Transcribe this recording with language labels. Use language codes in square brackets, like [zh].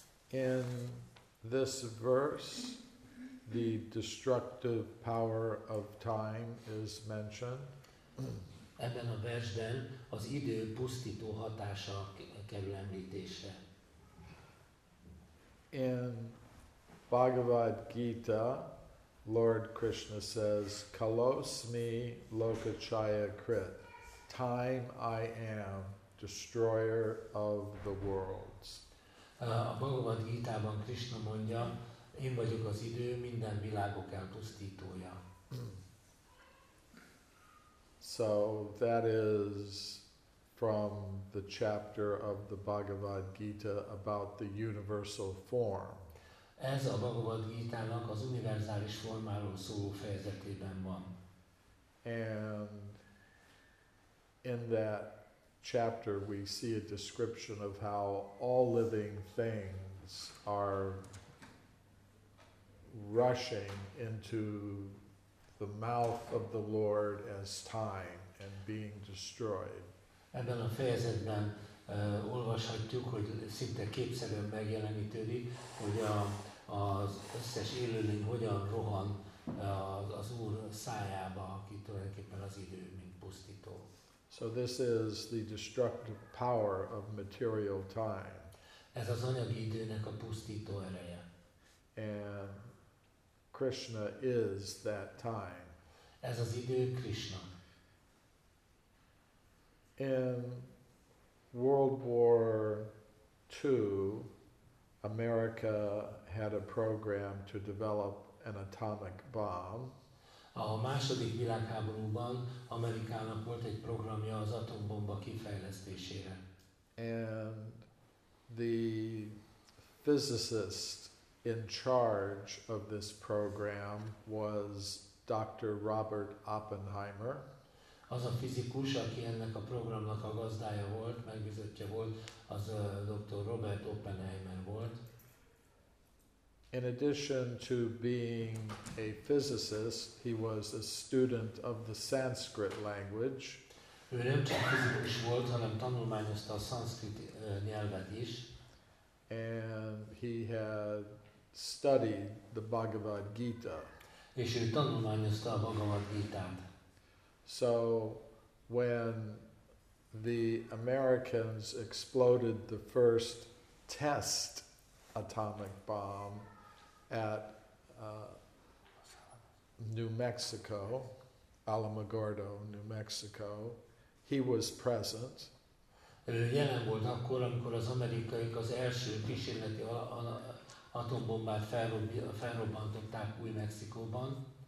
[en] In this verse, the destructive power of time is mentioned. [hu] Ebben a versben az idő pusztító hatása kerül említésre. [en] In Bhagavad Gita, Lord Krishna says, [sa] "Kalosmi lokachaya krit, [en] time I am, destroyer of the worlds." [hu] A Bhagavad Gita-ban Krishna mondja, én vagyok az idő, minden világok elpusztítója. [en] So that is from the chapter of the Bhagavad Gita about the universal form. [hu] Ez a Bhagavad Gita-nak az univerzális formáról szóló fejezetében van. [en] And in that chapter we see a description of how all living things are rushing into the mouth of the Lord as time and being destroyed. [hu] Ebben a fejezetben olvashatjuk, hogy szinte képszerűen megjelenítődik, hogy az összes élőlény hogyan rohan az Úr szájába, aki tulajdonképpen az idő, mint pusztító. [en] So this is the destructive power of material time. [hu] Ez az anyagi időnek a pusztító ereje. [en] And Krishna is that time. [hu] Ez az idő Krishna. [en] In World War II, America had a program to develop an atomic bomb. [hu] A második világháborúban Amerikának volt egy programja az atombomba kifejlesztésére. [en] And the physicist in charge of this program was Dr. Robert Oppenheimer. [hu] Az a fizikus, aki ennek a programnak a gazdája volt, megbízottja volt, az Dr. Robert Oppenheimer volt. [en] In addition to being a physicist, he was a student of the Sanskrit language. [hu] Ő nem csak fizikus volt, hanem tanulmányozta a szanszkrit nyelvet is. [en] And he had studied the Bhagavad Gita. [hu] És ő tanulmányozta a Bhagavad Gita-t. [en] So when the Americans exploded the first test atomic bomb at New Mexico, Alamogordo, New Mexico, he was present. [hu] Ő jelen volt akkor, amikor az amerikaiak az első kísérleti atombombát felrobbantották Új Mexikóban.